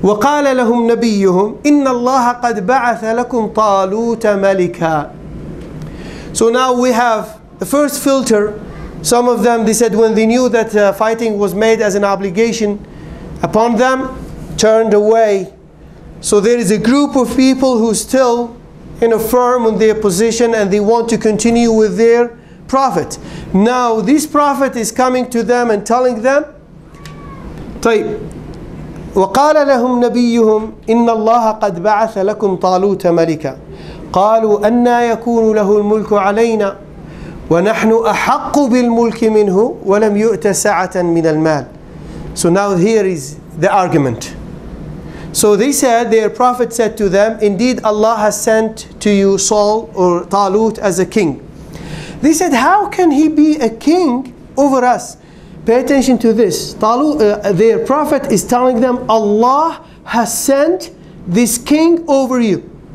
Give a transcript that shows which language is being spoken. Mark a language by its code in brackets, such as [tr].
[ar] وقال لهم نبيهم إن الله قد بعث لكم طالوت ملكا. [en] So now we have the first filter. Some of them, they said, when they knew that fighting was made as an obligation upon them, turned away. So there is a group of people who still, you know, firm in their position and they want to continue with their prophet. Now this prophet is coming to them and telling them, [ar] طيب وقال لهم نبيهم إن الله قد بعث لكم طالوت ملكا قالوا أنى يكون له الملك علينا ونحن أحق بالملك منه ولم يؤت سعة من المال. [en] So now here is the argument. So they said, their prophet said to them, indeed Allah has sent to you Saul or Talut as a king. They said, how can he be a king over us? Pay attention to this. Their prophet is telling them, Allah has sent this king over you.